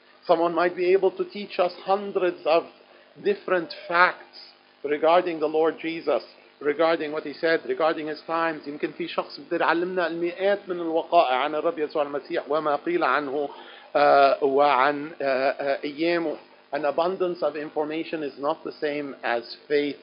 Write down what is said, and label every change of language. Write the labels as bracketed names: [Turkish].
[English] Someone might be able to teach us hundreds of different facts regarding the Lord Jesus, regarding what he said, regarding his times. [Arabic] يمكن في شخص بيقدر يعلمنا المئات من الوقائع عن الرب يسوع المسيح وما قيل عنه وعن أيامه. [English] An abundance of information is not the same as faith.